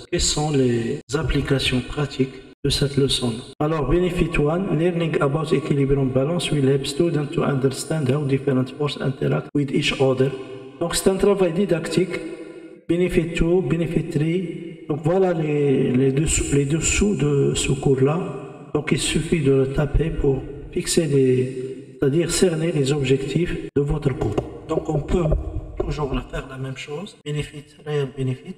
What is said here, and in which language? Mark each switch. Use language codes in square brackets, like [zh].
[fr] Quelles sont les applications pratiques de cette leçon? [en] Alors, benefit one, learning about equilibrium balance will help students to understand how different forces interact with each other. [fr] Donc, c'est un travail didactique. [en] Benefit two, benefit three. [fr] Donc, voilà les dessous de ce cours-là. Donc, il suffit de le taper pour fixer c'est-à-dire cerner les objectifs de votre cours. Donc, on peut toujours faire la même chose. [en] Benefit, real benefit.